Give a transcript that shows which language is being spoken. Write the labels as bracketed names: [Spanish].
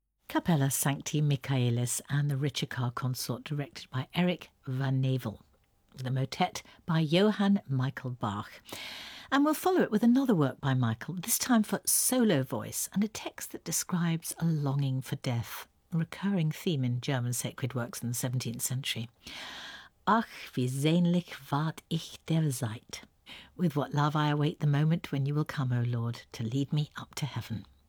[English] Capella Sancti Michaelis and the Richard Carr Consort, directed by Eric Van Navel, with a motet by Johann Michael Bach. And we'll follow it with another work by Michael, this time for solo voice, and a text that describes a longing for death, a recurring theme in German sacred works in the 17th century. [German] Ach, wie sehnlich wart ich der Zeit. [English] With what love I await the moment when you will come, O Lord, to lead me up to heaven.